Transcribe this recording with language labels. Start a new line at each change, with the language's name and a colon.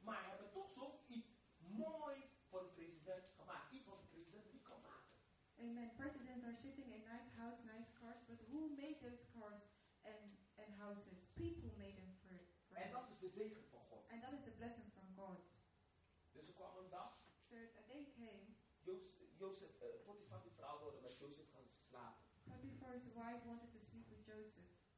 Dutch: Maar hebben toch zoiets moois voor de president gemaakt. Iets wat de president niet kan maken. Amen.
English: Presidents are sitting in nice house, nice cars, but who made those cars and houses? People made them for
Dutch: en dat is de zegen van God.
English: And that is a blessing from God.
Dutch: Dus er kwam een dag.
English: So a day came.
Dutch: Joseph, Potiphar die vrouw wilde met Joseph gaan slapen.
English: Potiphar's wife wanted to sleep with Joseph.